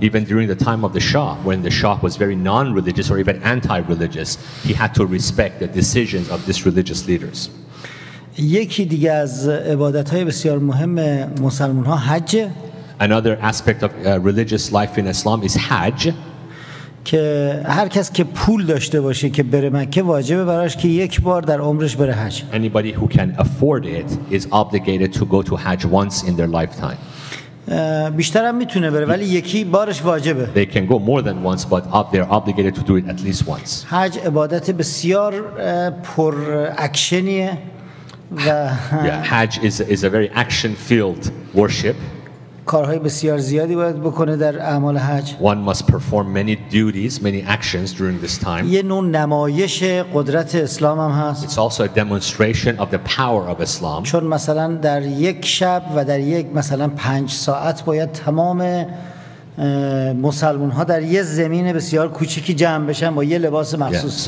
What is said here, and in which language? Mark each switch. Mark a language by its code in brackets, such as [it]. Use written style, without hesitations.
[en] Even during the time of the Shah when the Shah was very non-religious or even anti-religious he had to respect the decisions of these religious leaders. [fa] یکی دیگه از عبادت‌های بسیار مهم مسلمان‌ها حج. [en] Another aspect of religious life in Islam is Hajj. [fa] که هر کس که پول داشته باشه که بره مکه واجبه براش که یک بار در عمرش بره حج. [en] Anybody who can afford it is obligated to go to Hajj once in their lifetime. [fa] بیشتر هم میتونه بره ولی یکی بارش واجبه. [en] They can go more than once but they are obligated to do it at least once. [fa] حج عبادت بسیار پر اکشنیه و [en] حج is a very action filled worship. [fa] کارهای بسیار زیادی باید بکنه در اعمال حج. [en] One must perform many duties, many actions during this time. [fa] یه نوع نمایش قدرت اسلام هم هست. [en] It's also a demonstration of the power of Islam. [fa] چون مثلا در یک شب و در یک مثلا 5 ساعت باید تمام مسلمان‌ها در یه زمین بسیار کوچیکی جمع بشن با یه لباس مخصوص.